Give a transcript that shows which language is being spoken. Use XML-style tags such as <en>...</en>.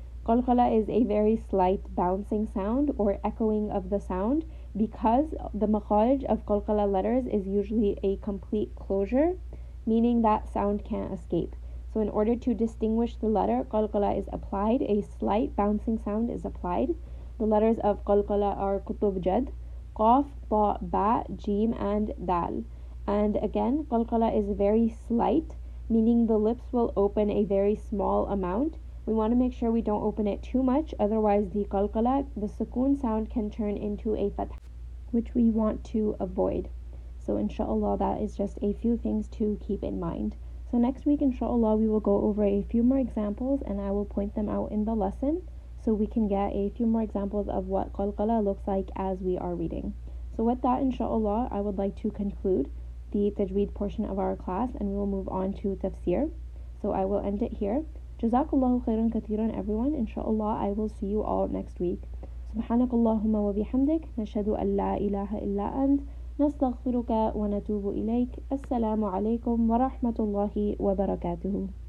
<en>قلقلة is a very slight bouncing sound or echoing of the sound because the مخارج of قلقلة letters is usually a complete closure, meaning that sound can't escape. So in order to distinguish the letter, قلقلة is applied, a slight bouncing sound is applied. The letters of قلقلة are قطب جد, قاف, ضاء, باء, جيم, and دال. And again, قلقلة is very slight, meaning the lips will open a very small amount. We want to make sure we don't open it too much, otherwise the قلقلة, the سكون sound can turn into a فتح, which we want to avoid. So inshallah, that is just a few things to keep in mind. So next week, inshallah, we will go over a few more examples and I will point them out in the lesson so we can get a few more examples of what قلقلة looks like as we are reading. So with that, inshallah, I would like to conclude the tajweed portion of our class and we will move on to tafsir. So I will end it here. Jazakallahu khairan kathiran, everyone. Inshallah, I will see you all next week.</en> <ar>Subhanakallahumma wa bihamdik. Nashhadu an la ilaha illa ant. نستغفرك ونتوب إليك. السلام عليكم ورحمة الله وبركاته.</ar>